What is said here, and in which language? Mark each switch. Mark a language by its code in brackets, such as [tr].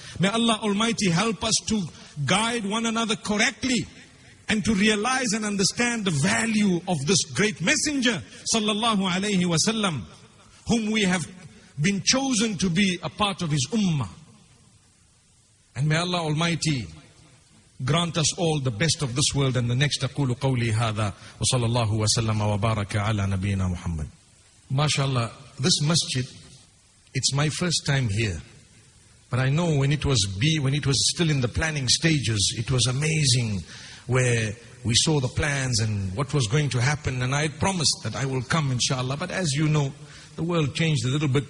[en] May Allah Almighty help us to guide one another correctly and to realize and understand the value of this great messenger, sallallahu alayhi wa sallam, whom we have been chosen to be a part of his ummah. And may Allah Almighty grant us all the best of this world and the next. [ar] أقول قولي هذا وصلى الله وسلم وبارك على نبينا محمد. [en] MashaAllah, this masjid, it's my first time here. But I know when it was still in the planning stages, it was amazing where we saw the plans and what was going to happen. And I had promised that I will come, inshallah. But as you know, the world changed a little bit.